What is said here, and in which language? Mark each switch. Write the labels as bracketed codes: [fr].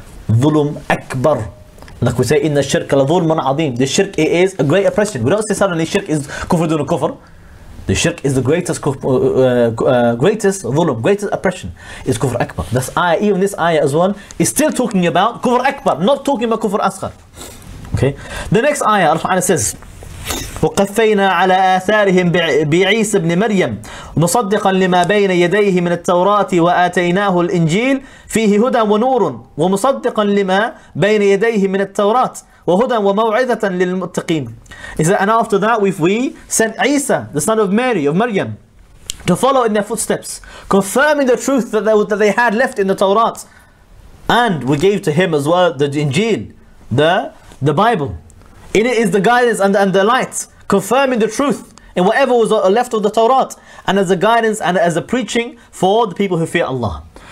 [en] Dhulm akbar. Like we say, [ar] inna shirk la dhulman azim. [en] The shirk is a great oppression. We don't say suddenly shirk is kufr dun kufr. The shirk is the greatest dhulm, greatest oppression is kufr akbar. This ayah, even this ayah as well, is still talking about kufr akbar, not talking about kufr asghar. Okay. The next ayah, Allah Ta'ala says, [ar] وقفينا على آثارهم بعيسى بن مريم مصدقا لما بين يديه من التوراة وآتيناه الإنجيل فيه هدى ونور ومصدقا لما بين يديه من التوراة وهدى وموعظة للمتقين. [en] Is that, and after that we sent Isa, the son of Mary, of Maryam, to follow in their footsteps, confirming the truth that they had left in the Torah. And we gave to him as well the Injil, the Bible. In it is the guidance and the light, confirming the truth in whatever was left of the Torah, and as a guidance and as a preaching for the people who fear Allah.